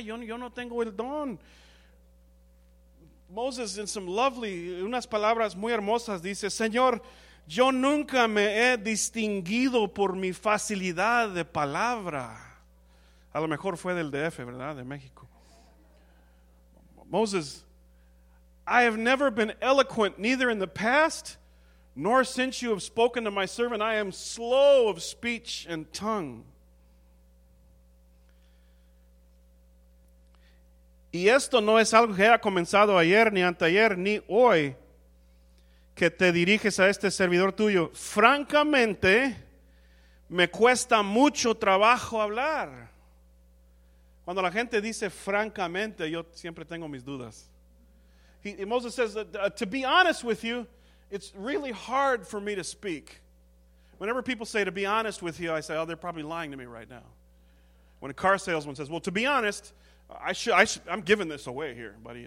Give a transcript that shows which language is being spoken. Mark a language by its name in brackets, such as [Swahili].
[Spanish] Yo no tengo el don. Moses, [English] in some lovely, [Spanish] unas palabras muy hermosas, dice, Señor, yo nunca me he distinguido por mi facilidad de palabra. A lo mejor fue del DF, ¿verdad? De México. Moses, [English] I have never been eloquent, neither in the past nor since you have spoken to my servant. I am slow of speech and tongue. [Spanish] Y esto no es algo que haya comenzado ayer, ni hoy, que te diriges a este servidor tuyo. Francamente, me cuesta mucho trabajo hablar. Cuando la gente dice francamente, yo siempre tengo mis dudas. [English] Moses says, to be honest with you, it's really hard for me to speak. Whenever people say, to be honest with you, I say, oh, they're probably lying to me right now. When a car salesman says, well, to be honest, I'm giving this away here, buddy.